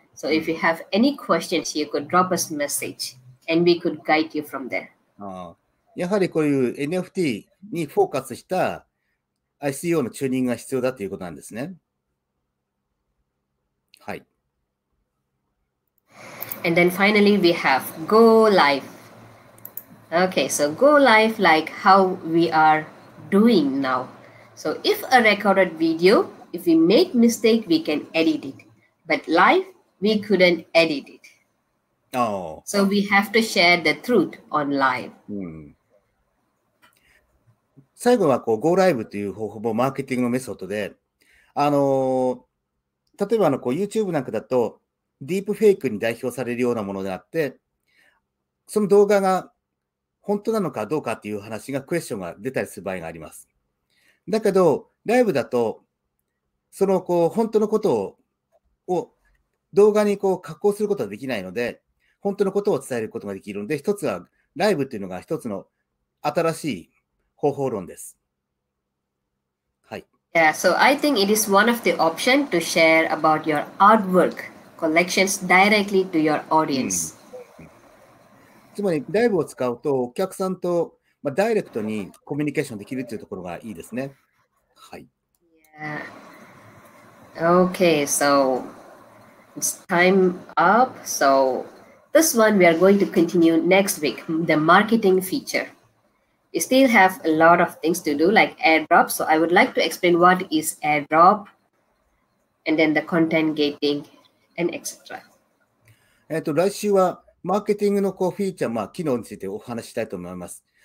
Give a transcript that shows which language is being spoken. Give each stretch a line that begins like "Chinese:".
English: So if you have any questions, you could drop us a message and we could guide you from there.
Japanese: やはりこういう NFT にフォーカスした ICO のチューニングが必要だということなんですね。はい。
English: And then finally we have go live. Okay, so go live like how we are doing now. So if a recorded video, if we make mistake, we can edit it. But live, we couldn't edit it. Oh. So we have to share the truth on live.
Japanese: うん。最後はこう go live という方法もマーケティングのメソッドで、例えばこう YouTube なんかだと、ディープフェイクに代表されるようなものであって、その動画が本当なのかどうかっていう話が、クエスチョンが出たりする場合があります。だけど、ライブだと、そのこう本当のことを動画にこう加工することはできないので、本当のことを伝えることができるので、一つはライブっていうのが一つの新しい方法論です。はい。
English: Yeah, so I think it is one of the option to share about your artwork. Collections directly to your audience.
Japanese: つまりライブを使うとお客さんとダイレクトにコミュニケーションできるというところがいいですね。はい。
English: Yeah. Okay, so it's time up. So this one we are going to continue next week, the marketing feature. We still have a lot of things to do like airdrop. So I would like to explain what is airdrop and then the content gating. And etc.
Japanese: 来週はマーケティングのこうフィーチャー、まあ、機能についてお話ししたいと思います。